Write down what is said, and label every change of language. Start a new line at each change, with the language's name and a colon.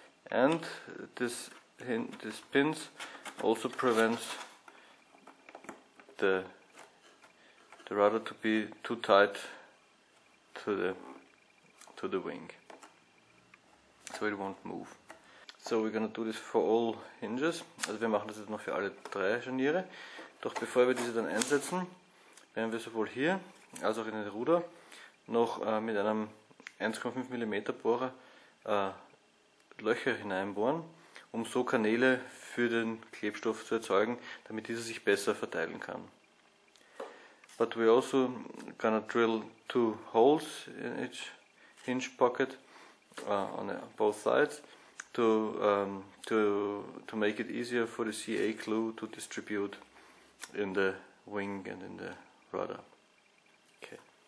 English: And these pins also prevents the rudder to be too tight to the wing, so it won't move. So we're gonna do this for all hinges.
German: Also wir machen das jetzt noch für alle drei Scharniere. Doch bevor wir diese dann einsetzen, werden wir sowohl hier als auch in den Ruder noch mit einem 1,5 mm Bohrer Löcher hineinbohren, um so Kanäle für den Klebstoff zu erzeugen, damit dieser sich besser verteilen kann.
English: But we also gonna drill two holes in each hinge pocket on both sides to make it easier for the CA glue to distribute in the wing and in the rudder. Okay.